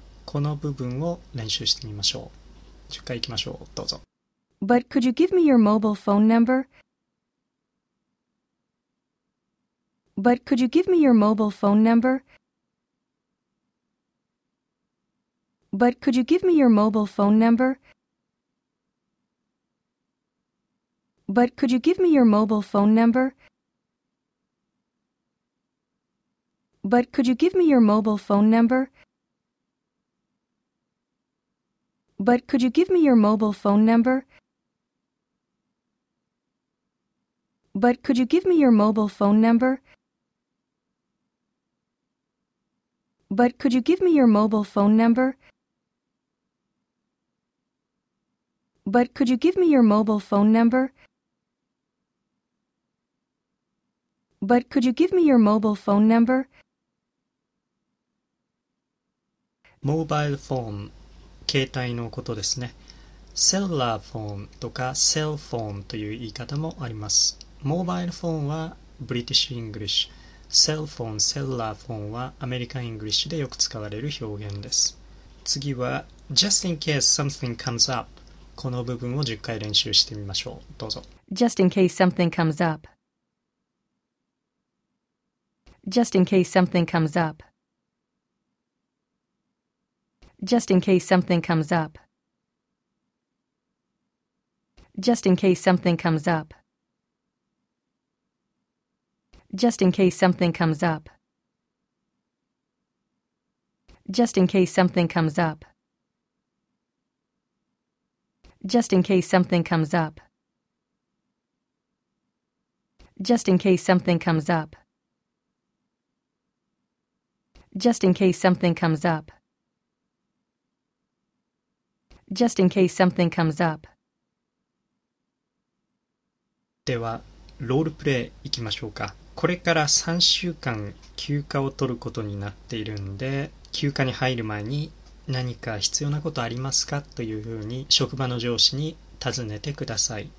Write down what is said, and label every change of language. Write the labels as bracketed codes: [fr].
[ja] この部分を練習してみましょう。 10回いきましょう。どうぞ。 [en] But could you give me your mobile phone number? But could you give me your mobile phone number? But could you give me your mobile phone number? But could you give me your mobile phone number? But could you give me your mobile phone number? But could you give me your mobile phone number? But could you give me your mobile phone number? But could you give me your mobile phone number? But could you give me your mobile phone number? but could you give me your mobile phone number? [ja] Mobile phone、携帯のことですね。Cellular phone とか cell phone という言い方もあります。 Mobile phone は British English、cell phone、cellular phone はアメリカ English でよく使われる表現です。次は [en] Just in case something comes up。 [ja] この部分を10回練習してみましょう。どうぞ。 [en] Just in case something comes up. Just in case something comes up. Just in case something comes up. Just in case something comes up. Just in case something comes up. Just in case something comes up. Just in case something comes up. Just in case something comes up. Just in case something comes up. Just in case something comes up. [ja] では、ロールプレイ行きましょうか。これから3週間休暇を取ることになっているんで、休暇に入る前に何か必要なことありますかというふうに職場の上司に尋ねてください。